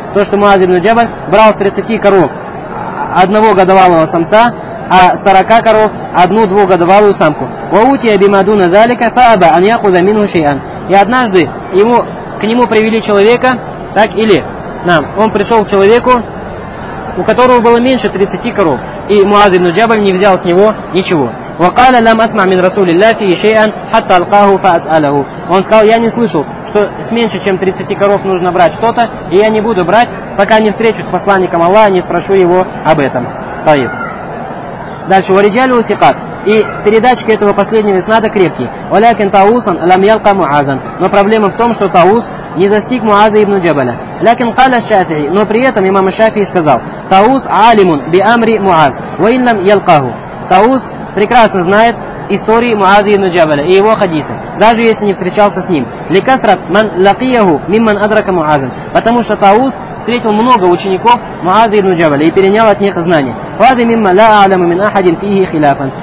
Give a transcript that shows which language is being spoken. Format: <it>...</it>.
<ru>То, что Муаз ибн Джабаль брал с 30 коров одного годовалого самца, а 40 коров одну двухгодовалую самку.</ru> <ar>Ва утия бимадуна залика фааба ан якуза мину шейан.</ar> <ru>И однажды к нему привели человека, так или, да, он пришел к человеку, у которого было меньше 30 коров, и Муаз ибн Джабаль не взял с него ничего.</ru> <ar>وقال لم اسمع من رسول الله في شيئا حتى القاه فاساله.</ar> <ru>Он сказал, я не слышал, что с меньше чем 30 коров нужно брать что-то, и я не буду брать, пока не встречусь с посланником Аллаха, не спрошу его об этом.</ru> <ar>طيب.</ar> <ru>Дальше</ru> <ar>ورجال وثقات.</ar> <ru>И передатчики этого последнего иснада крепкие.</ru> <ar>ولكن طاووس لم يلقى معاذا.</ar> <ru>Но проблема в том, что Таус не застиг Муаза ибн Джабаля.</ru> <ar>لكن قال الشافعي.</ar> <ru>Но при этом имам Шафии сказал: Таус</ru> <ar>عالم بأمر معاذ وإن لم يلقاه.</ar> <ru>Таус прекрасно знает истории Муаза ибн Джабаля и его хадисы, даже если не встречался с ним.</ru> <ar>لكثرت من لقيه ممن أدرك معاذا.</ar> <ru>Потому что Таус встретил много учеников Муаза ибн Джабаля и перенял от них знания.</ru> <ar>وهذا مما لا أعلم من أحد فيه خلافا.</ar>